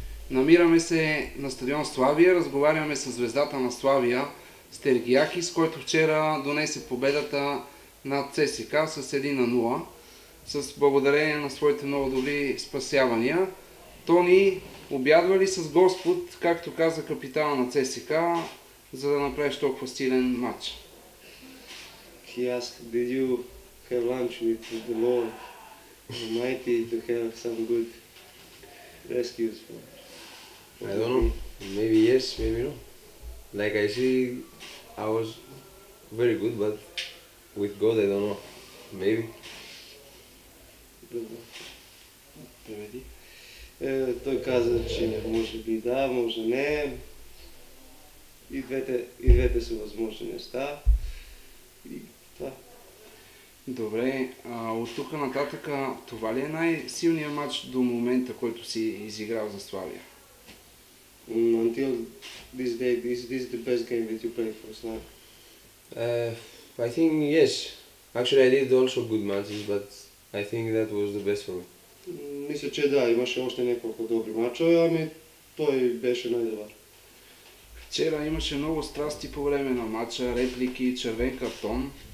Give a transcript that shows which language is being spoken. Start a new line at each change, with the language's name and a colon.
Bulgarian: Намираме се на стадион Славия, разговаряме с звездата на Славия Стергиахис, който вчера донесе победата над ЦСКА с 1-0, с благодарение на своите много добри спасявания. Тони, обядва ли с Господ, както каза капитана на ЦСКА, за да направиш толкова силен матч?
English: He asked, did you have lunch with the Lord Almighty to have some good rescues for us? I don't know. Maybe yes, maybe no. Like I see, I was very good, but with God, I don't know. Maybe.
Bulgarian: Преведи. Той каза, че може би да, може не. И двете са възможни неща. И това. Добре. От тук нататък, това ли е най-силният матч до момента, който си изиграл за Славия?
English: Until this day, this is the best game that you played for Slavia. I think yes. Actually, I did also good matches, but I think that was the best for me.
Bulgarian: Мисля, че да, имаше още няколко добри мача, ами той беше най-добър. Вчера имаше много страсти по време на мача, реплики, червен картон.